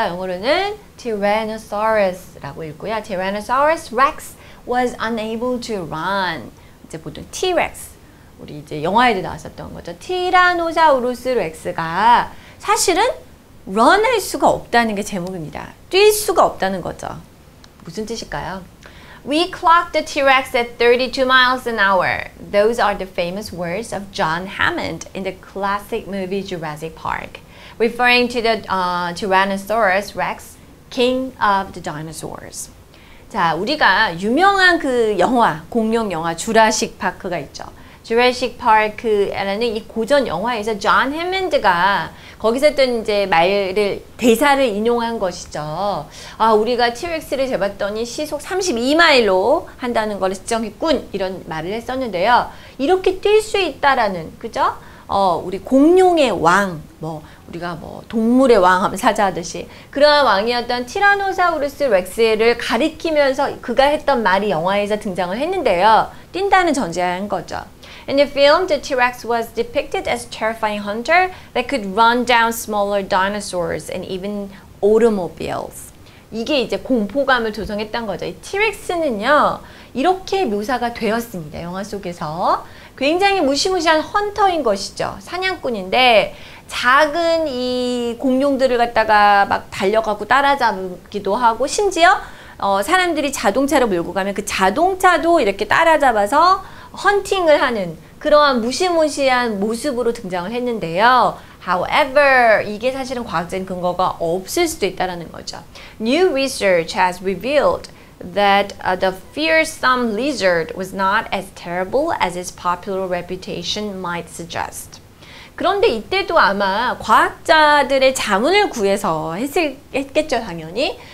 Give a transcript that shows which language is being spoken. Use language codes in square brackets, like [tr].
[ko] 영어로는 Tyrannosaurus라고 읽고요. [en] Tyrannosaurus Rex was unable to run. [ko] 이제 보통 T-Rex. 우리 이제 영화에도 나왔었던 거죠. 티라노사우루스 렉스가 사실은 run할 수가 없다는 게 제목입니다. 뛸 수가 없다는 거죠. 무슨 뜻일까요? [en] We clocked the T-Rex at 32 miles an hour. Those are the famous words of John Hammond in the classic movie Jurassic Park, referring to the Tyrannosaurus Rex, king of the dinosaurs. [ko] 자, 우리가 유명한 그 영화, 공룡 영화 주라식 파크가 있죠. Jurassic Park라는 이 고전 영화에서 John Hammond가 거기서 했던 이제 말을 대사를 인용한 것이죠. 아, 우리가 T-Rex를 재봤더니 시속 32마일로 한다는 걸 측정했군 이런 말을 했었는데요. 이렇게 뛸 수 있다라는 그죠? 우리 공룡의 왕, 뭐 우리가 뭐 동물의 왕 하면 사자하듯이 그런 왕이었던 티라노사우루스 렉스를 가리키면서 그가 했던 말이 영화에서 등장을 했는데요. 뛴다는 전제한 거죠. [en] In the film, the T-Rex was depicted as a terrifying hunter that could run down smaller dinosaurs and even automobiles. [ko] 이게 이제 공포감을 조성했던 거죠. 이 T-Rex는요, 이렇게 묘사가 되었습니다. 영화 속에서. 굉장히 무시무시한 헌터인 것이죠. 사냥꾼인데, 작은 이 공룡들을 갖다가 막 달려가고 따라잡기도 하고, 심지어, 사람들이 자동차를 몰고 가면 그 자동차도 이렇게 따라잡아서 헌팅을 하는 그러한 무시무시한 모습으로 등장을 했는데요. However, 이게 사실은 과학적인 근거가 없을 수도 있다는 거죠. [en] New research has revealed that the fearsome lizard was not as terrible as its popular reputation might suggest. [ko] 그런데 이때도 아마 과학자들의 자문을 구해서 했겠죠, 당연히.